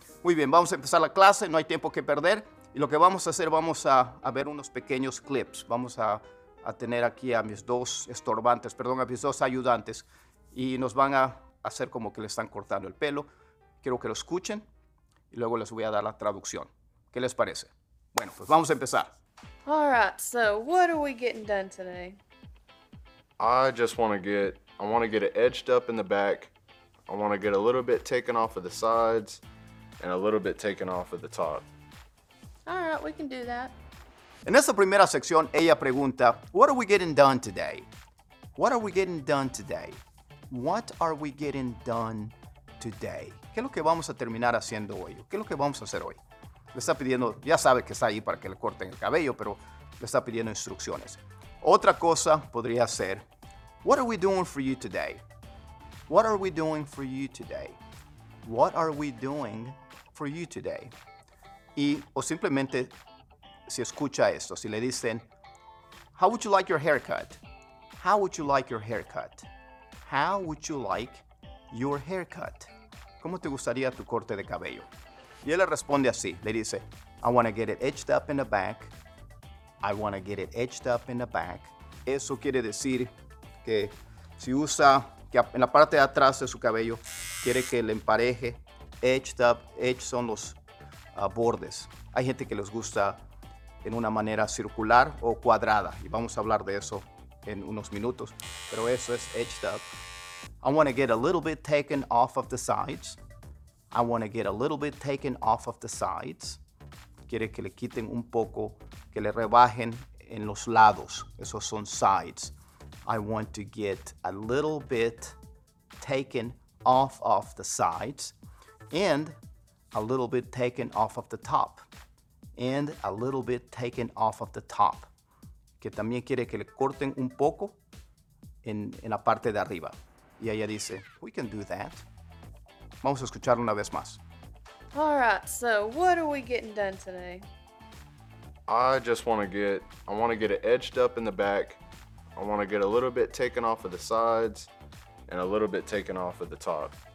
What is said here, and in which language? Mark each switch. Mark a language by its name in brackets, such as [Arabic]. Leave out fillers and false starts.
[Spanish] Muy bien, vamos a empezar la clase, no hay tiempo que perder. Y lo que vamos a hacer, vamos a ver unos pequeños clips. Vamos a tener aquí a mis dos estorbantes, perdón, a mis dos ayudantes. Y nos van a hacer como que le están cortando el pelo. Quiero que lo escuchen y luego les voy a dar la traducción. ¿Qué les parece? Bueno, pues vamos a empezar. [English] All right, so what are we getting done today? I want to get it edged up in the back. I want to get a little bit taken off of the sides and a little bit taken off of the top. All right, we can do that. [Spanish] En esta primera sección, ella pregunta, [English] what are we getting done today? What are we getting done today? What are we getting done today? [Spanish] ¿Qué es lo que vamos a terminar haciendo hoy? ¿Qué es lo que vamos a hacer hoy? Le está pidiendo, ya sabe que está ahí para que le corten el cabello, pero le está pidiendo instrucciones. Otra cosa podría ser, [English] what are we doing for you today? What are we doing for you today? What are we doing for you today? [Spanish] Y, o simplemente, si escucha esto, si le dicen, [English] how would you like your haircut? How would you like your haircut? How would you like your haircut? [Spanish] ¿Cómo te gustaría tu corte de cabello? Y él le responde así, le dice, [English] I want to get it edged up in the back. I want to get it edged up in the back. [Spanish] Eso quiere decir que si usa, que en la parte de atrás de su cabello, quiere que le empareje, edged up, edged son los bordes. Hay gente que les gusta en una manera circular o cuadrada, y vamos a hablar de eso en unos minutos, pero eso es edged up. [English] I want to get a little bit taken off of the sides. I want to get a little bit taken off of the sides. [Spanish] Quiere que le quiten un poco, que le rebajen en los lados. Esos son sides. [English] I want to get a little bit taken off of the sides. And a little bit taken off of the top. And a little bit taken off of the top. [Spanish] Que también quiere que le corten un poco en la parte de arriba. Y ella dice, [English] we can do that. [Spanish] Vamos a escuchar una vez más. [English] All right, so what are we getting done today? I want to get it edged up in the back. I want to get a little bit taken off of the sides and a little bit taken off of the top.